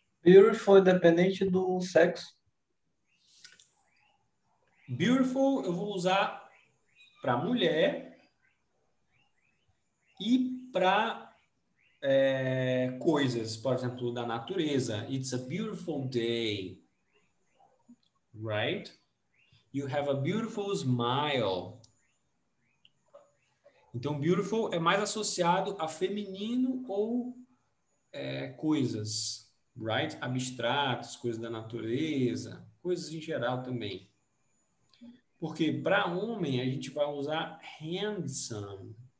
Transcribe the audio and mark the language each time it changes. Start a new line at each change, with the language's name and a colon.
Portuguese: Beautiful, independente do sexo. Beautiful, eu vou usar para mulher e para coisas, por exemplo, da natureza.
English: It's a beautiful day. Right? You have a beautiful smile.
Portuguese: Então, beautiful é mais associado a feminino ou coisas. Right? Abstratos, coisas da natureza, coisas em geral também. Porque para homem a gente vai usar handsome.